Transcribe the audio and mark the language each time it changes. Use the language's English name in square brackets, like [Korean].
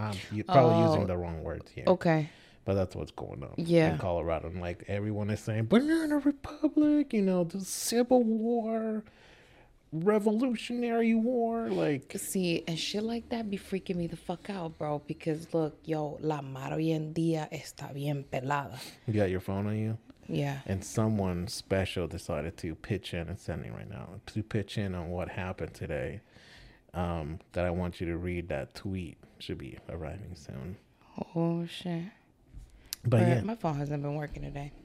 [English] I'm probably using the wrong words here. Okay. But that's what's going on in Colorado. And like everyone is saying, but you're in a republic, you know, the Civil War, Revolutionary War. Like, see, and shit like that be freaking me the fuck out, bro. Because look, [Spanish] yo, la mar hoy en día está bien pelada. [English] You got your phone on you? Yeah. And someone special decided to pitch in and send me right now to pitch in on what happened today. That I want you to read. That tweet should be arriving soon. Oh, shit. But yeah, my phone hasn't been working today.